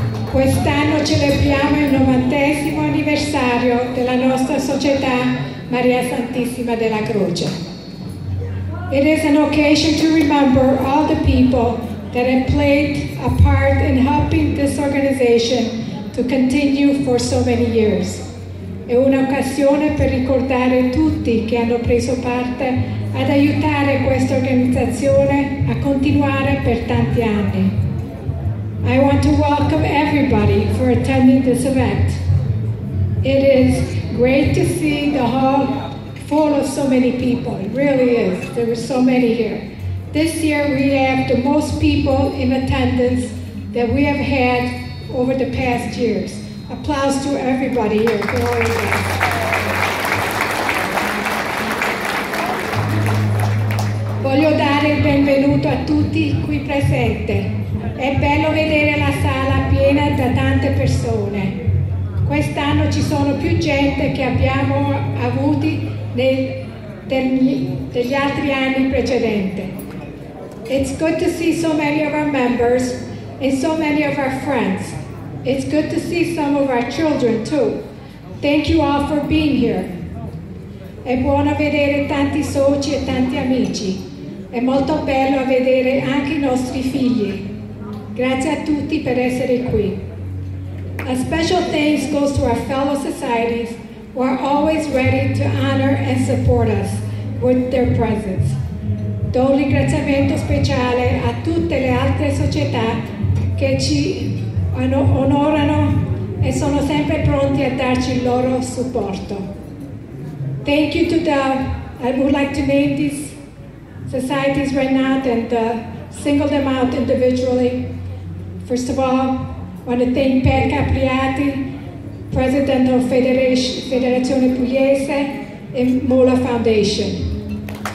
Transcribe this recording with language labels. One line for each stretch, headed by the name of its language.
Italian: Quest'anno celebriamo il 90th anniversario della nostra società, Maria Santissima della Croce.
English: It is an occasion to remember all the people that have played a part in helping this organization to continue for so many years.
Italian: È un'occasione per ricordare tutti che hanno preso parte ad aiutare questa organizzazione a continuare per tanti anni.
English: I want to welcome everybody for attending this event. It is great to see the hall full of so many people. It really is. There were so many here. This year we have the most people in attendance that we have had over the past years. Applause to everybody here. Glory to God.
Italian: Voglio dare il benvenuto a tutti qui presenti. È bello vedere la sala piena da tante persone. Quest'anno ci sono più gente che abbiamo avuti degli altri anni precedenti.
English: It's good to see so many of our members and so many of our friends. It's good to see some of our children too. Thank you all for being here.
Italian: È buono vedere tanti soci e tanti amici. È molto bello vedere anche i nostri figli. Grazie a tutti per essere qui.
English: A special thanks goes to our fellow societies who are always ready to honor and support us with their presence.
Italian: Do un ringraziamento speciale a tutte le altre società che ci onorano e sono sempre pronti a darci il loro supporto.
English: Thank you to the, I would like to name these societies right now and single them out individually. First of all, I want to thank Per Capriati, President of Federazione Pugliese and Mola Foundation.